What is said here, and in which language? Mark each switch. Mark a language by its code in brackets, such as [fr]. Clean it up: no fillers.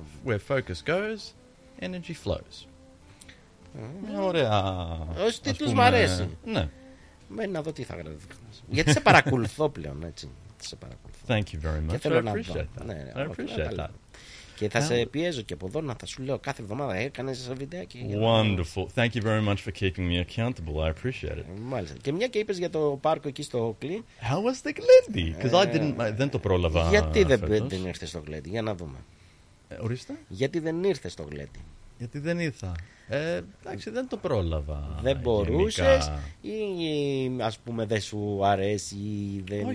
[en] Where focus goes, energy flows. [el] Μια ωραία. Ως τίτλος μου αρέσει. Ναι. Μένει να δω τι θα γράψει. Γιατί σε παρακολουθώ πλέον, έτσι. Σε παρακολουθώ. [en] Thank you very much. I appreciate that. [el] Και θα σε πιέζω και από εδώ να θα σου λέω κάθε εβδομάδα έκανες ένα βιντεάκι. [en] Wonderful. Thank you very much for keeping me accountable. I appreciate it. [el] Μάλιστα. Και μια και είπες για το πάρκο εκεί στο Oakley. [en] How was the Glendy? Because [el] δεν το πρόλαβα. Γιατί δεν ήρθες στο Glendy? Για να δούμε. Ορίστε. Γιατί δεν ήρθες στο Glendy? Γιατί δεν ήρθα. Εντάξει, δεν το πρόλαβα. Δεν μπορούσες ή ας πούμε δεν σου αρέσει ή δεν...